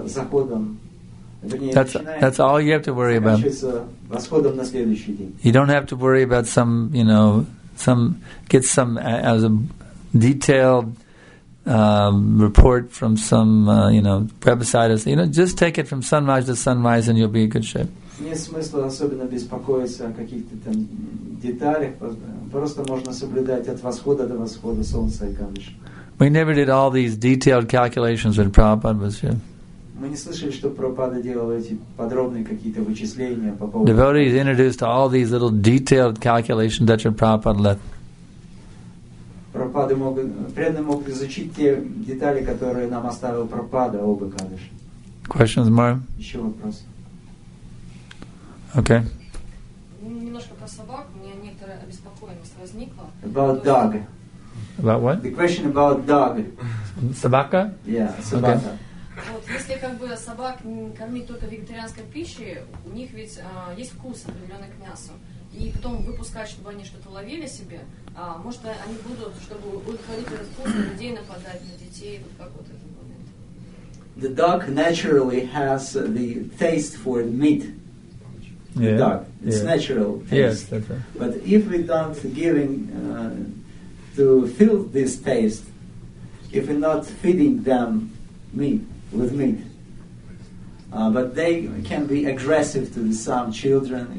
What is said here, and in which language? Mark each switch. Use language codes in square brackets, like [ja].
[en] That's all you have to worry about. You don't have to worry about some, you know, some get some as a detailed report from some, you know, website. You know, just take it from sunrise to sunrise, and you'll be in good shape. [ru] Нет смысла особенно беспокоиться о каких-то там деталях. Просто можно соблюдать от восхода до восхода солнца и камыша. [en] We never did all these detailed calculations when Prabhupada was here. [ru] Мы не слышали, что Прабхупада делал эти подробные какие-то вычисления по поводу. [en] Devotees introduced all these little detailed calculations that Prabhupada left. [ru] Прабхупады мог, преданные могут изучить те детали, которые нам оставил Прабхупада об Экадаши. [en] Questions, Mara? [ru] Еще вопрос. [en] Okay. [ru] Немножко про собак. У меня некоторая обеспокоенность возникла. [en] About dog. About what? The question about dog. [ru] Собака? [en] Yeah, собака. Okay. [ru] Вот, если как бы собак кормить только вегетарианской пищей, у них ведь есть вкус определенный к мясу, и потом выпускать, чтобы они что-то ловили себе, может, они будут, чтобы удовлетворить этот вкус, на людей нападать, на детей, вот как вот этот момент. [en] The dog naturally has the taste for meat. The dog, it's natural taste. Yes, that's right. But if we don't giving to fill this taste, if we're not feeding them meat, with meat, but they can be aggressive to some children.